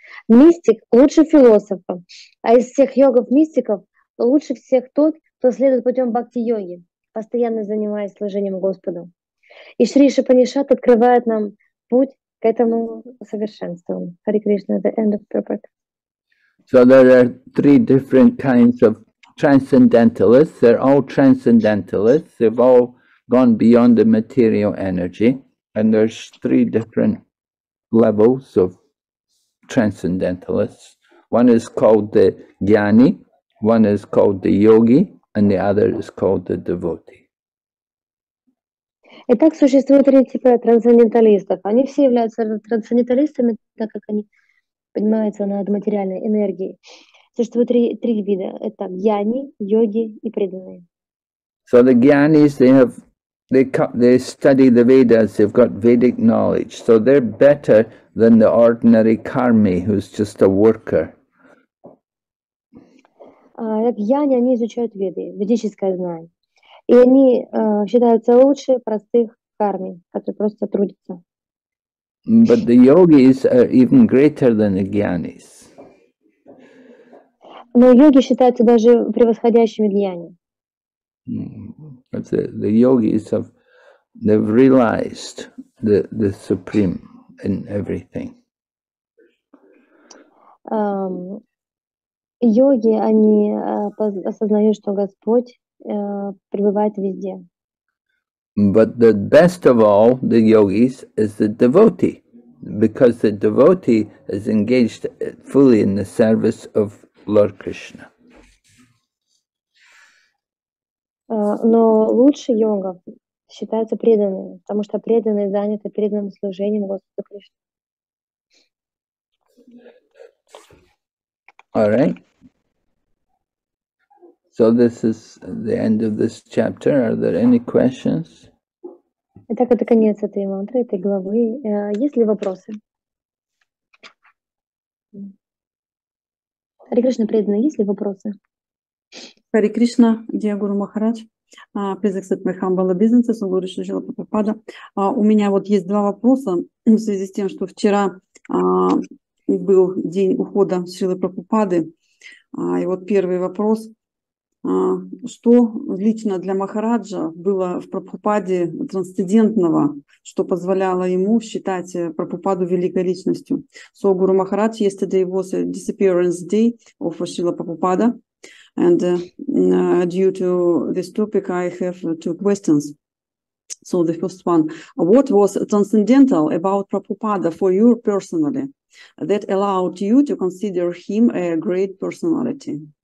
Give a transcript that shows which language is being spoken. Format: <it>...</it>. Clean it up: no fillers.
<ru>Мистик лучше философа, а из всех йогов-мистиков лучше всех тот, кто следует путем бхакти-йоги, постоянно занимаясь служением Господу. И Шри Шупанишат открывает нам путь к этому совершенству.</ru> <en>Hare Krishna, the end of purport. So there are three different kinds of transcendentalists. They're all transcendentalists. They've all gone beyond the material energy. And there's three different levels of transcendentalists. One is called the jnani, one is called the yogi, and the other is called the devotee.</en> <ru>Итак, существует три типа трансценденталистов. Они все являются трансценденталистами, так как они поднимаются над материальной энергией. Существует три вида. Это гьяни, йоги и преданные.</ru> <en>So the gyanis, they study the Vedas, they've got Vedic knowledge. So they're better than the ordinary karmi, who's just a worker.</en> <ru>Гьяни, они изучают Веды, ведическое знание. И они считаются лучше простых карми, которые просто трудятся.</ru> <en>But the yogis are even greater than the gyanis.</en> <ru>Но йоги считаются даже превосходящими гьяни.</ru> <en>The yogis they've realized the supreme in everything.</en> <ru>Йоги, они осознают, что Господь пребывает везде.</ru> <en>But the best of all the yogis is the devotee, because the devotee is engaged fully in the service of Lord Krishna.</en> <ru>Но лучше йогов считаются преданные, потому что преданные заняты преданным служением Господу Кришне.</ru> <en>All right. So this is the end of this chapter. Are there any questions?</en> <ru>Итак, это конец этой мантры, этой главы. Есть ли вопросы? Хари Кришна, преданные, есть ли вопросы?</ru> <en>Хари Кришна, Диагуру Махарадж. Please accept my humble business. Сунгуру Шаджила Папападжа.</en> <ru>У меня вот есть два вопроса в связи с тем, что вчера был день ухода Шрилы Прабхупады. И вот первый вопрос. Что лично для Махараджа было в Прабхупаде трансцендентного, что позволяло ему считать Прабхупаду великой личностью?</ru> <en>So, Guru Maharaj, yesterday was a disappearance day of Srila Prabhupada, and due to this topic, I have two questions. So, the first one, what was transcendental about Prabhupada for you personally that allowed you to consider him a great personality?</en>